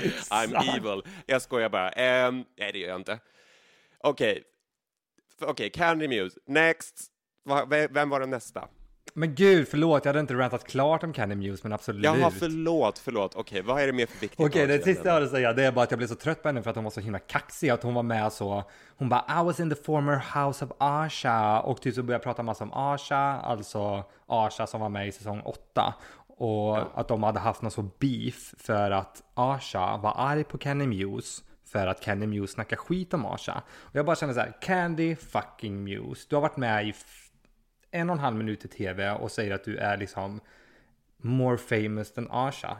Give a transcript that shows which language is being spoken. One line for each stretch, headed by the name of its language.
English: I'm evil.
Swedish: Jag skojar bara. Nej, det gör jag inte. Okej, Candy Muse. Next. Vem var den nästa? Men gud, förlåt. Jag hade inte rantat klart om Candy Muse, men absolut. Jaha, förlåt. Okej, vad är det mer för viktigt? Okej, det sista jag vill säga, det är bara att jag blev så trött på henne för att hon var så himla kaxig, att hon var med så. Hon bara,
English: I was in the former house of Asha.
Swedish: Och typ så började jag prata massa om Asha, alltså Asha som var med i säsong 8. Och ja, att de hade haft någon så beef för att Asha var arg på Candy Muse. För att Candy Muse snackar skit om Asha. Och jag bara kände så här, Candy fucking Muse. Du har varit med i en och en halv minut i tv och säger att du är liksom
English: more famous than Asha.